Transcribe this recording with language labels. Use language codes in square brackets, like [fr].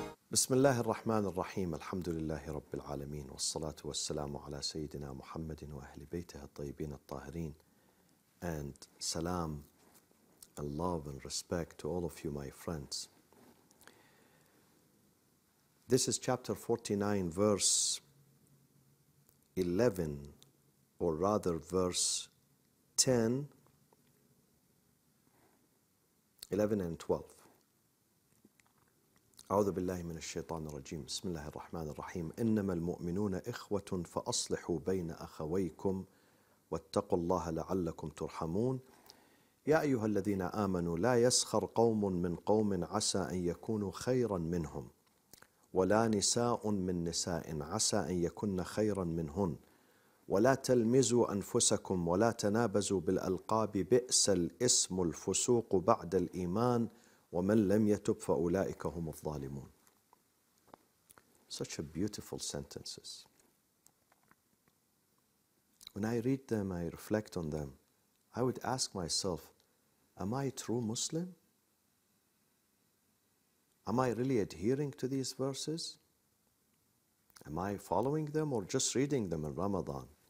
[ar] بسم الله الرحمن الرحيم الحمد لله رب العالمين والصلاة والسلام على سيدنا محمد وأهل بيته الطيبين الطاهرين [en] and salam and love and respect to all of you my friends. This is chapter 49 verse 11 or rather verse 10, 11 and 12. [ar] أعوذ بالله من الشيطان الرجيم بسم الله الرحمن الرحيم إنما المؤمنون إخوة فأصلحوا بين أخويكم واتقوا الله لعلكم ترحمون يا أيها الذين آمنوا لا يسخر قوم من قوم عسى أن يكونوا خيرا منهم ولا نساء من نساء عسى أن يكون خيرا منهن ولا تلمزوا أنفسكم ولا تنابزوا بالألقاب بئس الاسم الفسوق بعد الإيمان وَمَنْ لَمْ يَتُبْ فَأُولَٰئِكَ هُمُ الظَّالِمُونَ [en] Such a beautiful sentences. When I read them, I reflect on them, I would ask myself, am I a true Muslim? Am I really adhering to these verses? Am I following them or just reading them in Ramadan?